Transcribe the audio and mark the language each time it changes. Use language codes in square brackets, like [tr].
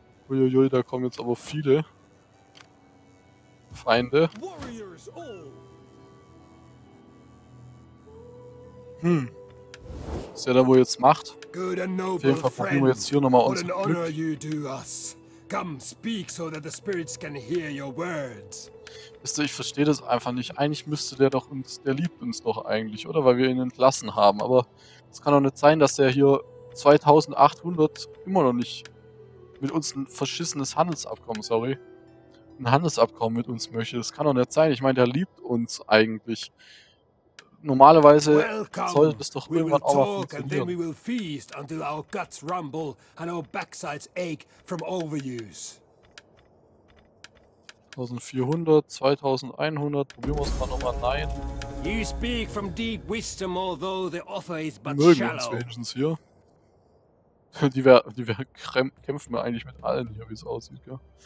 [de] Uiuiui, da kommen jetzt aber viele Feinde. Was er da wohl jetzt macht? Auf jeden Fall probieren wir jetzt hier nochmal unser Glück. [en] Come speak, so that the spirits can hear your words. [de] Wisst ihr, ich verstehe das einfach nicht. Eigentlich müsste der doch uns, der liebt uns doch eigentlich, oder? Weil wir ihn entlassen haben. Aber es kann doch nicht sein, dass der hier 2800 immer noch nicht mit uns ein verschissenes Handelsabkommen, sorry, ein Handelsabkommen mit uns möchte. Das kann doch nicht sein. Ich meine, der liebt uns eigentlich. Normalerweise sollte das doch irgendwann auch mal funktionieren. [en] And then we will feast until our guts rumble and our backsides ache from overuse. [de] 1400, 2100, probieren wir es mal nochmal. Nein. [en] You speak from deep wisdom, although the offer is but shallow. [de] Mögen uns wenigstens hier. Kämpfen wir eigentlich mit allen hier, wie es aussieht, gell?